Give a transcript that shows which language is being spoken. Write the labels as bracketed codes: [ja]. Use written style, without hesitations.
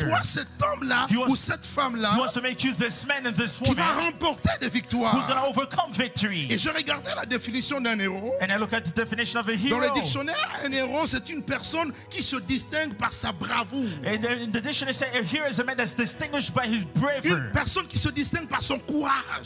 [fr] De toi cet homme là ou cette femme là. [en] He wants to make you this man and this woman. [fr] Qui va remporter des victoires. [en] Who's gonna overcome victories. [fr] Et je regardais la définition d'un héros. [en] And I look at the definition of a hero. [fr] Dans le dictionnaire, un héros c'est une personne qui se distingue par sa bravoure. [en] And in the dictionary, say a hero is a man that's distinguished by his bravery. [fr] Une personne qui se distingue par son courage.